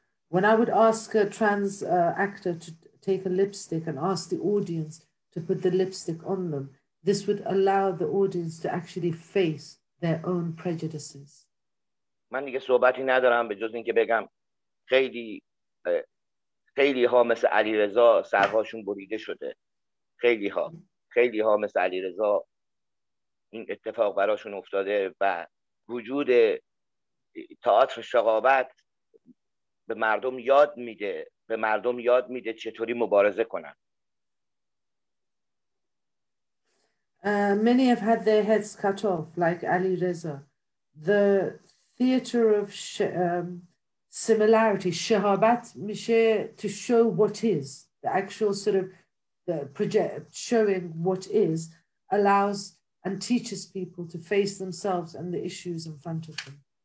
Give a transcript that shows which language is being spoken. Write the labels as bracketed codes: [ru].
[en] When I would ask a trans actor to take a lipstick and ask the audience to put the lipstick on them. This would allow the audience to actually face their own prejudices. [fa] من دیگه صحبتی ندارم به جز این که بگم خیلی خیلی ها مثل علیرضا سرهاشون بریده شده، خیلی ها، خیلی ها مثل علیرضا این اتفاق براشون افتاده و وجود تئاتر شقاوت به مردم یاد میده، به مردم یاد میده چطوری مبارزه کنن. [en] Many have had their heads cut off, like Ali Reza. The theater of similarity, shahabat, mishe, to show what is, the actual sort of the project showing what is, allows and teaches people to face themselves and the issues in front of them.